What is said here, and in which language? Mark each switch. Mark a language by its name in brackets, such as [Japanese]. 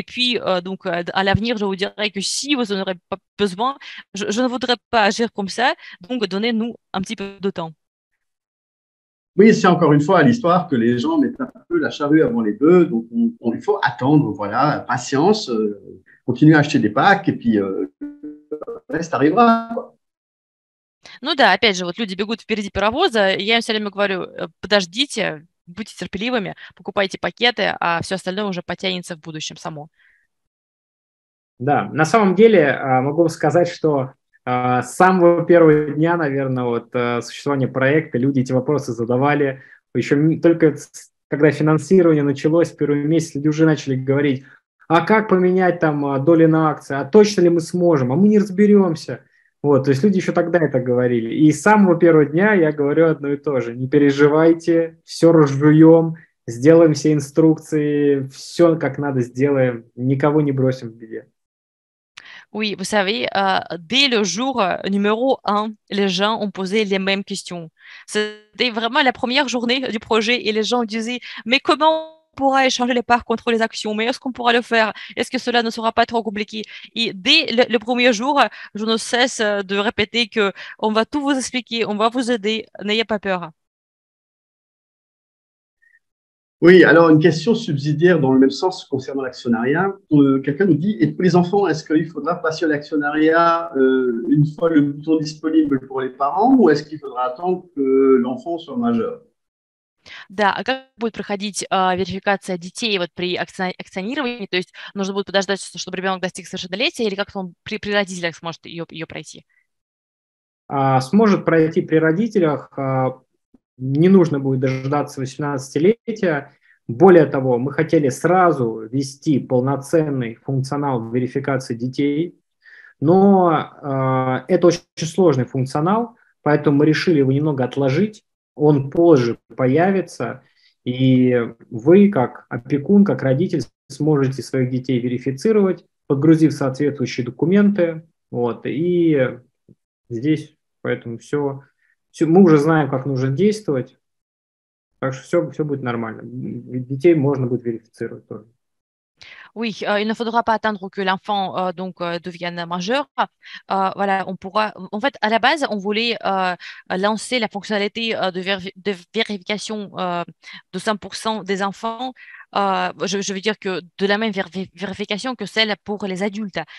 [French] Et puis, donc, à l'avenir, je vous dirai que si vous n'en aurez pas besoin, je ne voudrais pas agir comme ça. Donc, donnez-nous un petit peu de temps. Oui, c'est encore une fois l'histoire que les gens mettent un peu la charrue avant les bœufs. Donc, il faut attendre, voilà, patience, continuer à acheter des packs et puis le reste arrivera. [Russian] Ну да, опять же, вот люди бегут впереди паровоза. Я им все время говорю, подождите, будьте терпеливыми, покупайте пакеты, а все остальное уже потянется в будущем само. Да, на самом деле могу сказать, что с самого первого дня, наверное, вот существования проекта люди эти вопросы задавали. Еще только когда финансирование началось, первый месяц люди уже начали говорить, а как поменять там доли на акции, а точно ли мы сможем, а мы не разберемся. Вот, то есть люди еще тогда это говорили. И с самого первого дня я говорю одно и то же. Не переживайте, все разжуем, сделаем все инструкции, все как надо сделаем, никого не бросим в беде. Oui, vous savez, dès le jour numéro 1, les gens ont posé les mêmes questions. C'était vraiment la première journée du projet et les gens disaient, mais comment on pourra échanger les parts contre les actions? Mais est-ce qu'on pourra le faire? Est-ce que cela ne sera pas trop compliqué? Et dès le premier jour, je ne cesse de répéter qu'on va tout vous expliquer, on va vous aider, n'ayez pas peur. Oui, alors une question subsidiaire dans le même sens concernant l'actionnariat. Quelqu'un nous dit, et pour les enfants, est-ce qu'il faudra passer à l'actionnariat une fois le bouton disponible pour les parents ou est-ce qu'il faudra attendre que l'enfant soit majeur? Да, а как будет проходить верификация детей вот, при акционировании? То есть нужно будет подождать, чтобы ребенок достиг совершеннолетия или как-то он при родителях сможет ее пройти? Сможет пройти при родителях. Не нужно будет дожидаться 18-летия. Более того, мы хотели сразу ввести полноценный функционал верификации детей, но это очень сложный функционал, поэтому мы решили его немного отложить. Он позже появится, и вы, как опекун, как родитель, сможете своих детей верифицировать, подгрузив соответствующие документы. Вот, и здесь поэтому все. Мы уже знаем, как нужно действовать, так что все будет нормально. Детей можно будет верифицировать тоже. [French] Oui, il ne faudra pas attendre que l'enfant donc devienne majeur. Voilà, on pourra. En fait, à la base, on voulait lancer la fonctionnalité de vérification de 100% des enfants. Je veux dire que de la même vérification que celle pour les adultes.